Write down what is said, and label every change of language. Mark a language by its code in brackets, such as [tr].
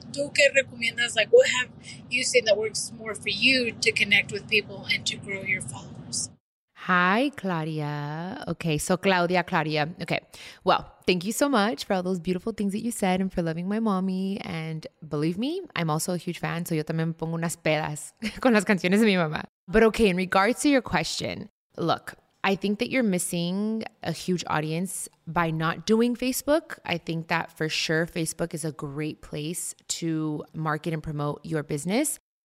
[es] ¿Tú qué recomiendas? [en] Like, what have you seen that works more for you to connect with people and to grow your followers? Hi, Claudia. Okay, so Claudia. Okay, well, thank you so much for all those beautiful things that you said and for loving my mommy. And believe me, I'm also a huge fan. So [es] yo también me pongo unas pedas con las canciones de mi mamá. [en] But okay, in regards to your question, look, I think that you're missing a huge audience by not doing Facebook. I think that for sure Facebook is a great place to market and promote your business.